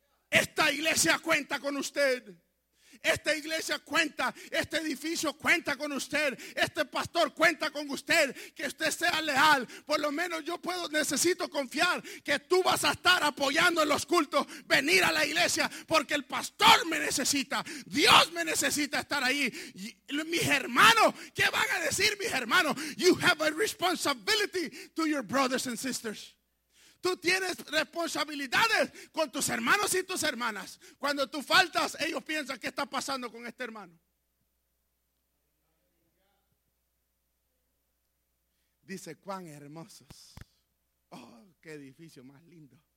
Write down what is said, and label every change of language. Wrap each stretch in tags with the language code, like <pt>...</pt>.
<es>Esta iglesia cuenta con usted. Esta iglesia cuenta, este edificio cuenta con usted, este pastor cuenta con usted, que usted sea leal. Por lo menos yo puedo, necesito confiar que tú vas a estar apoyando en los cultos, venir a la iglesia, porque el pastor me necesita, Dios me necesita estar ahí. Y mis hermanos, ¿qué van a decir mis hermanos?</es> <en>You have a responsibility to your brothers and sisters.</en> <es>Tú tienes responsabilidades con tus hermanos y tus hermanas. Cuando tú faltas, ellos piensan, ¿qué está pasando con este hermano? Dice, cuán hermosos. Oh, qué edificio más lindo.</es>